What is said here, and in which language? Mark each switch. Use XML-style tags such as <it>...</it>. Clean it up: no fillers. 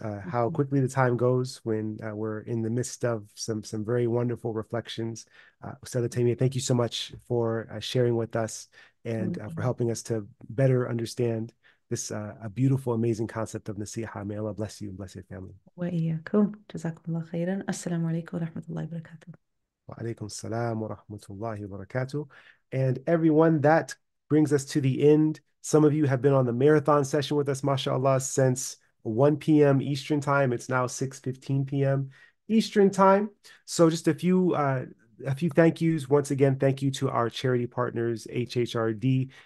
<en>How quickly the time goes when we're in the midst of some very wonderful reflections. Tamia, thank you so much for sharing with us and for helping us to better understand this a beautiful, amazing concept of Nasiha. May Allah bless you and bless your family.</en> <ar>وإياكم جزاكم الله خيرا السلام عليكم ورحمة الله وبركاته وعليكم السلام ورحمة الله وبركاته.</ar> <en>And everyone, that brings us to the end. Some of you have been on the marathon session with us, mashallah, since 1 p.m. Eastern time. It's now 6:15 p.m. Eastern time. So just a few thank yous. Once again, thank you to our charity partners, HHRD.</en>